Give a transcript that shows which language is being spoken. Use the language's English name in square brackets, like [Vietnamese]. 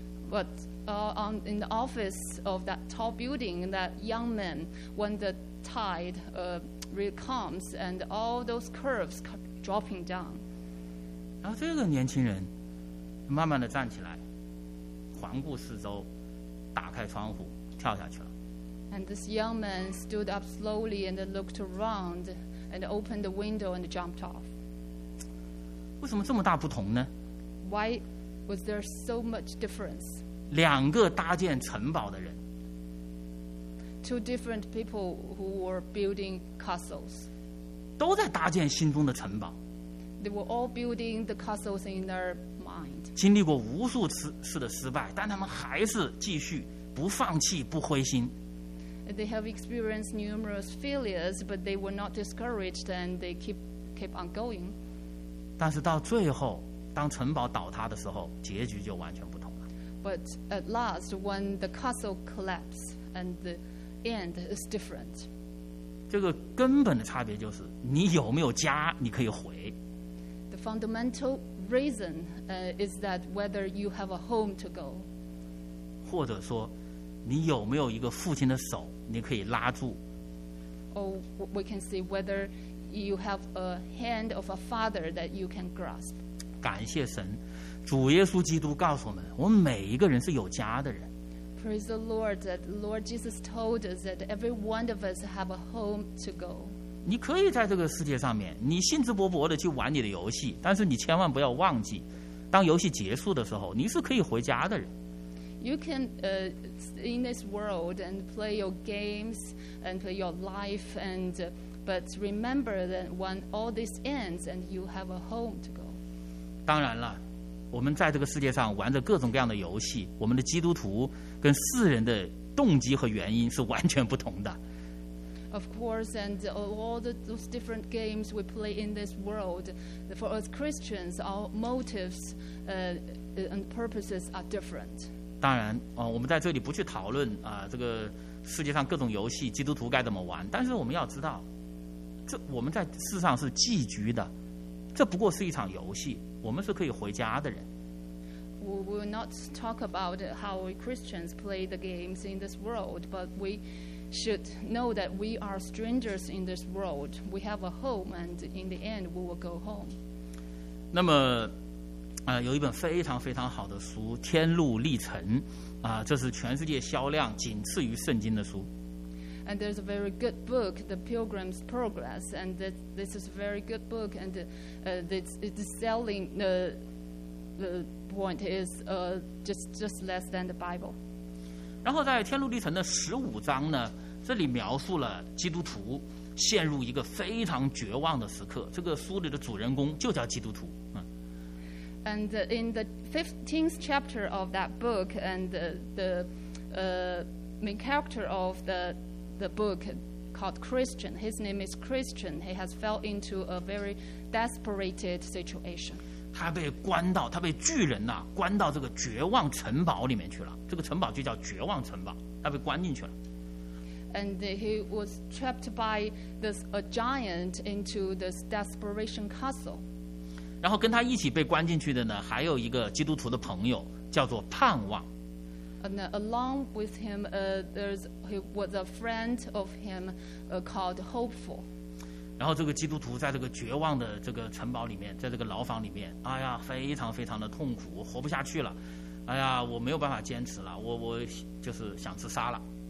[English] But in the office of that tall building, that young man, when the tide really comes and all those curves dropping down. [Chinese] 然后这个年轻人慢慢的站起来，环顾四周，打开窗户，跳下去了。 [English] And this young man stood up slowly and looked around and opened the window and jumped off. [Chinese] 为什么这么大不同呢？ [English] Why was there so much difference? [Chinese] 两个搭建城堡的人。 [English] Two different people who were building castles. [Chinese] 都在搭建心中的城堡。 [English] They were all building the castles in their mind. [Chinese] 经历过无数次的失败，但他们还是继续，不放弃，不灰心。 [English] They have experienced numerous failures, but they were not discouraged, and they keep on going. [Chinese] 但是到最后，当城堡倒塌的时候，结局就完全不同了。 [English] But at last, when the castle collapsed, and the end is different. [Chinese] 这个根本的差别就是，你有没有家，你可以回。 [English] The fundamental reason is that whether you have a home to go. [Chinese] 或者说。你有没有一个父亲的手，你可以拉住 [English] ？Oh, we can see whether you have a hand of a father that you can grasp. [Chinese] 感谢神，主耶稣基督告诉我们，我们每一个人是有家的人。 [English] Praise the Lord that Lord Jesus told us that every one of us have a home to go. [Chinese] 你可以在这个世界上面，你兴致勃勃地去玩你的游戏，但是你千万不要忘记，当游戏结束的时候，你是可以回家的人。 [English] You can in this world and play your games and play your life and but remember that when all this ends and you have a home to go. [Chinese] 当然了，我们在这个世界上玩着各种各样的游戏，我们的基督徒跟世人的动机和原因是完全不同的。 [English] Of course, and all those different games we play in this world, for us Christians, our motives and purposes are different. [Chinese] 当然我们在这里不去讨论这个世界上各种游戏基督徒该怎么玩，但是我们要知道，这我们在世上是寄居的，这不过是一场游戏，我们是可以回家的人。 [English] We will not talk about how Christians play the games in this world, but we should know that we are strangers in this world. We have a home, and in the end, we will go home. [Chinese] 那么有一本非常非常好的书《天路历程》，这是全世界销量仅次于圣经的书。 [English] And there's a very good book, The Pilgrim's Progress, and this is a very good book, and the selling the point is just less than the Bible. [Chinese] 然后在《天路历程》的十五章呢，这里描述了基督徒陷入一个非常绝望的时刻。这个书里的主人公就叫基督徒。 [English] And in the 15th chapter of that book, and the main character of the book called Christian, his name is Christian, he has fell into a very desperated situation. [Chinese] 他被巨人呐，关到这个绝望城堡里面去了。这个城堡就叫绝望城堡，他被关进去了。 [English] And he was trapped by a giant into this desperation castle. [Chinese] 然后跟他一起被关进去的呢，还有一个基督徒的朋友，叫做盼望。 [English] And along with him, he was a friend of him, called Hopeful. [Chinese] 然后这个基督徒在这个绝望的这个城堡里面，在这个牢房里面，哎呀，非常非常的痛苦，活不下去了，哎呀，我没有办法坚持了，我就是想自杀了。